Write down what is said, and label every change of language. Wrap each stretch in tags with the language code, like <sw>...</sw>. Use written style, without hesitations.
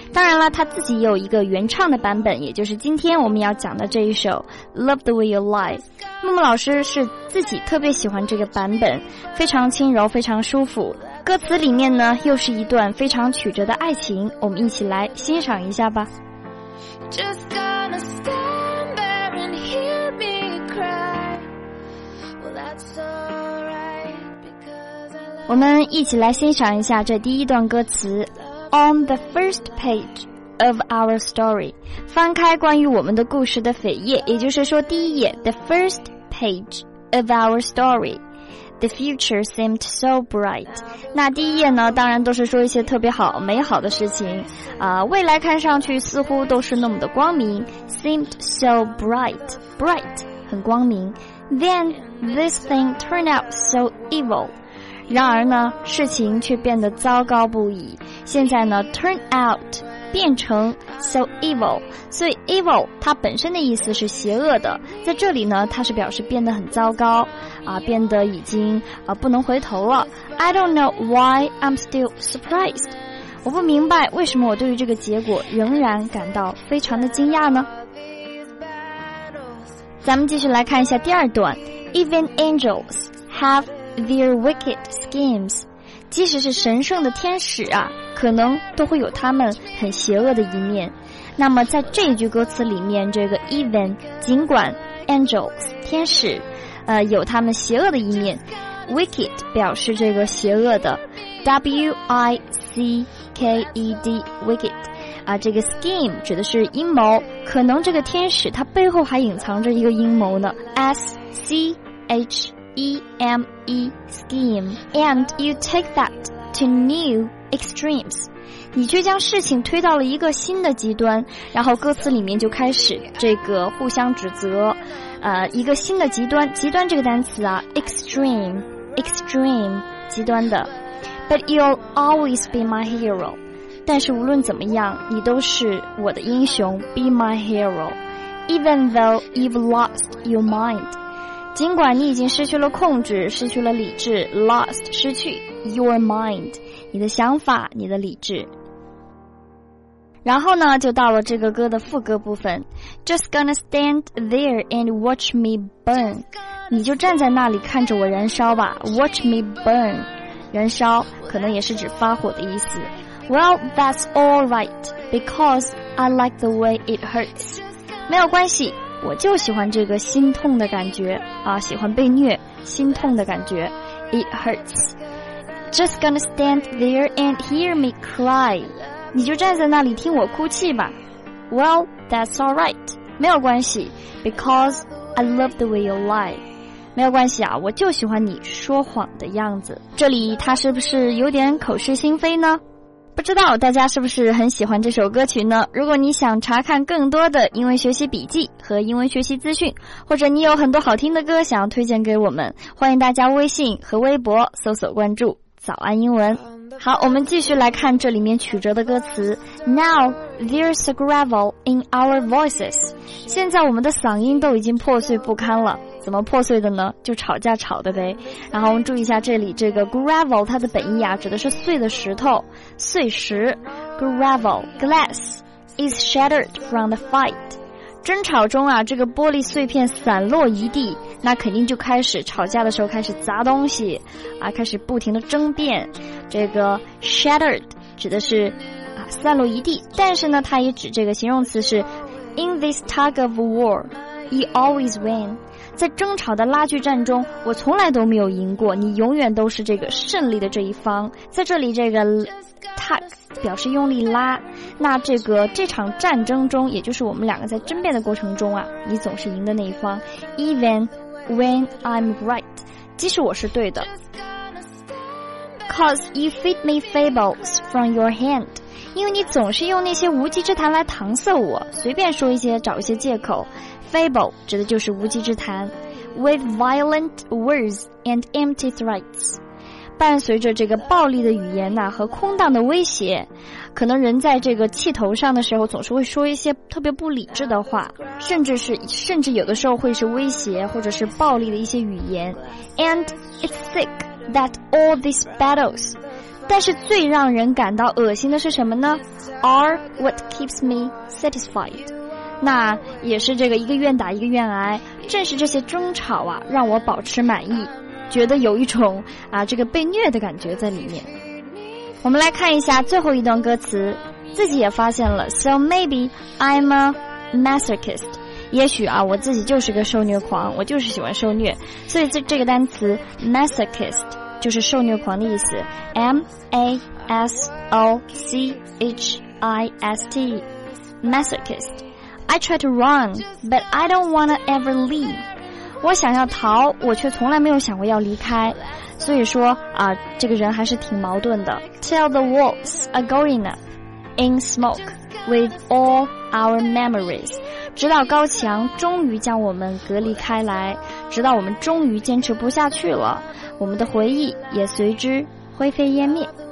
<zh>当然了，她自己也有一个原唱的版本，也就是今天我们要讲的这一首《Love the Way You Lie》。木木老师是自己特别喜欢这个版本，非常轻柔，非常舒服。歌词里面呢，又是一段非常曲折的爱情，我们一起来欣赏一下吧。</zh> <en>Just gonna stand there and hear me cry. Well, that's alright, because I love.</en> <zh>我们一起来欣赏一下这第一段歌词。</zh> <en>On the first page of our story，</en> <zh>翻开关于我们的故事的扉页，也就是说第一页 ，</zh> <en>the first page of our story。 The future seemed so bright.</en> <zh>那第一页呢，当然都是说一些特别好美好的事情啊，未来看上去似乎都是那么的光明。</zh> <en>Seemed so bright, bright</en> <zh>很光明。</zh> <en>Then this thing turned out so evil.</en> <zh>然而呢，事情却变得糟糕不已。现在呢 ，turn out 变成 so evil. 所以 evil 它本身的意思是邪恶的，在这里呢，它是表示变得很糟糕。啊，变得已经不能回头了。</zh> <en>I don't know why I'm still surprised.</en> <zh>我不明白为什么我对于这个结果仍然感到非常的惊讶呢？咱们继续来看一下第二段。</zh> <en>Even angels have their wicked schemes.</en> <zh>即使是神圣的天使啊，可能都会有他们很邪恶的一面。那么在这一句歌词里面，这个 even 尽管 angels 天使。有他们邪恶的一面。Wicked 表示这个邪恶的， W-I-C-K-E-D Wicked 啊，这个 scheme 指的是阴谋，可能这个天使他背后还隐藏着一个阴谋呢。</zh> <en>S-C-H-E-M-E Scheme. And you take that to new extremes.</en> <zh>你却将事情推到了一个新的极端。然后歌词里面就开始这个互相指责，一个新的极端，极端这个单词啊 ，extreme， extreme， 极端的。</zh> <en>But you'll always be my hero.</en> <zh>但是无论怎么样，你都是我的英雄。</zh> <en>Be my hero. Even though you've lost your mind.</en> <zh>尽管你已经失去了控制，失去了理智。Lost， 失去。 Your mind， 你的想法，你的理智。然后呢，就到了这个歌的副歌部分。</zh> <en>Just gonna stand there and watch me burn.</en> <zh>你就站在那里看着我燃烧吧。</zh> <en>Watch me burn.</en> <zh>燃烧可能也是指发火的意思。</zh> <en>Well, that's all right, because I like the way it hurts.</en> <zh>没有关系，我就喜欢这个心痛的感觉啊，喜欢被虐，心痛的感觉。</zh> <en>It hurts. Just gonna stand there and hear me cry.</en> <zh>你就站在那里听我哭泣吧。</zh> <en>Well, that's alright.</en> <zh>没有关系，</zh> <en>Because I love the way you lie.</en> <zh>没有关系啊，我就喜欢你说谎的样子。这里他是不是有点口是心非呢？不知道大家是不是很喜欢这首歌曲呢？如果你想查看更多的英文学习笔记和英文学习资讯，或者你有很多好听的歌想要推荐给我们，欢迎大家微信和微博搜索关注早安英文。好，我们继续来看这里面曲折的歌词。</zh> <en>Now there's a gravel in our voices.</en> <zh>现在我们的嗓音都已经破碎不堪了。怎么破碎的呢？就吵架吵的呗。然后我们注意一下这里，这个 gravel 它的本意啊，指的是碎的石头，碎石。</zh> <en>Gravel, glass is shattered from the fight.</en> <zh>争吵中啊，这个玻璃碎片散落一地，那肯定就开始吵架的时候开始砸东西啊，开始不停的争辩。这个 shattered 指的是啊散落一地，但是呢它也指这个形容词是</zh> <en>in this tug of war you always win，</en> <zh>在争吵的拉锯战中我从来都没有赢过，你永远都是这个胜利的这一方。在这里这个 tug 表示用力拉，那这场战争中，也就是我们两个在争辩的过程中啊，你总是赢的那一方。</zh> <en>Even when I'm right，</en> <zh>即使我是对的。</zh> <en>Cause you feed me fables from your hand，</en> <zh>因为你总是用那些无稽之谈来搪塞我，随便说一些，找一些借口。 Fable 指的就是无稽之谈。</zh> <en>With violent words and empty threats，</en> <zh>伴随着这个暴力的语言呐、和空荡的威胁，可能人在这个气头上的时候，总是会说一些特别不理智的话，甚至有的时候会是威胁或者是暴力的一些语言。</zh> <en>And it's sick that all these battles，</en> <zh>但是最让人感到恶心的是什么呢</zh> <en>？Are what keeps me satisfied。</en> <zh>那也是这个一个愿打一个愿挨，正是这些争吵啊，让我保持满意。觉得有一种啊，这个被虐的感觉在里面。我们来看一下最后一段歌词，自己也发现了。</zh> <en>So maybe I'm a masochist，</en> <zh>也许啊，我自己就是个受虐狂，我就是喜欢受虐。所以这个单词 masochist 就是受虐狂的意思 ，masochist， masochist。</zh> <en>I try to run， but I don't wanna ever leave。</en> <zh>我想要逃，我却从来没有想过要离开，所以说啊，这个人还是挺矛盾的。</zh> <en>Till the walls are going up in smoke with all our memories，</en> <zh>直到高墙终于将我们隔离开来，直到我们终于坚持不下去了，我们的回忆也随之灰飞烟灭。</zh>